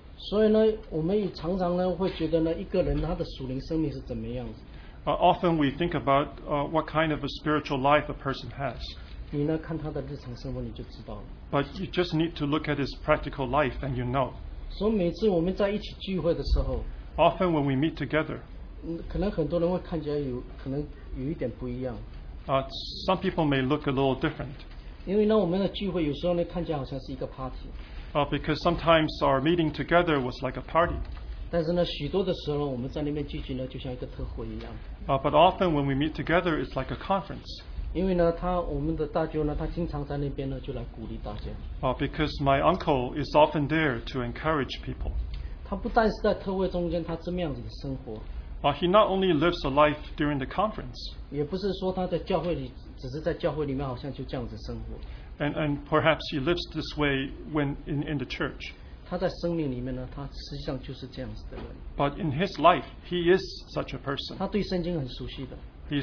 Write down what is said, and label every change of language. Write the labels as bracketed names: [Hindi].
[Chinese] 所以呢，我们也常常呢会觉得呢，一个人他的属灵生命是怎么样。 [English] Often we think about what kind of a spiritual life a person has. [Chinese] 你呢，看他的日常生活你就知道了。But [English] you just need to look at his practical life and you know. [Chinese] 所以每次我们在一起聚会的时候, [English] often when we meet together, [Chinese] 可能很多人会看起来有可能有一点不一样。 [English] Some people may look a little different. [Chinese] 因为呢，我们的聚会有时候呢，看起来好像是一个party。 [English] Because sometimes our meeting together was like a party. [Chinese] 但是呢，许多的时候我们在那边聚集呢，就像一个特会一样。 [English] But often when we meet together, it's like a conference. [Chinese] 因为呢，他我们的大舅呢，他经常在那边呢，就来鼓励大家。 [English] Because my uncle is often there to encourage people. [Chinese] 他不但是在特会中间，他这么样子的生活。 [English] He not only lives a life during the conference. [Chinese] 也不是说他在教会里。只是在教会里面好像就这样子生活。And [English] perhaps he lives this way when in the church. [Chinese] 他在生命里面呢，他实际上就是这样子的人。But [English] in his life, he is such a person. [Chinese] 他对圣经很熟悉的。He